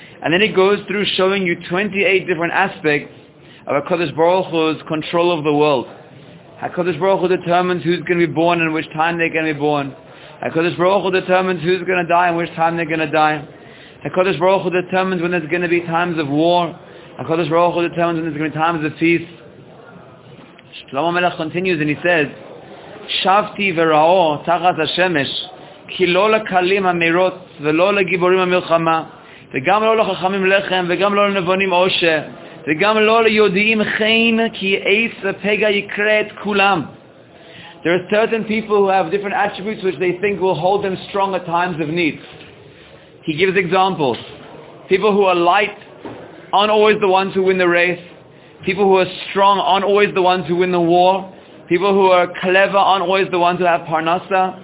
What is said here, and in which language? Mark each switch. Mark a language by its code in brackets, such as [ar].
[en] And then it goes through showing you 28 different aspects of HaKadosh Baruch Hu's control of the world. HaKadosh Baruch Hu determines who's going to be born and which time they're going to be born. HaKadosh Baruch Hu determines who's going to die and which time they're going to die. HaKadosh Baruch Hu determines when there's going to be times of war. HaKadosh Baruch Hu determines when there's going to be times of peace. [he] Shlomo Melech continues and he says, Shavti v'ra'o tachas ha-shemesh, ki lo lekalim ha-meirot ve'lo legiborim ha-milchama, וגם לא לחכמים לחם, וגם לא לנבונים עושר, וגם לא ליהודים חן, כי עץ ופגע יקרה את כולם. [en] There are certain people who have different attributes which they think will hold them strong at times of need. He gives examples. People who are light aren't always the ones who win the race. People who are strong aren't always the ones who win the war. People who are clever aren't always the ones who have parnasa.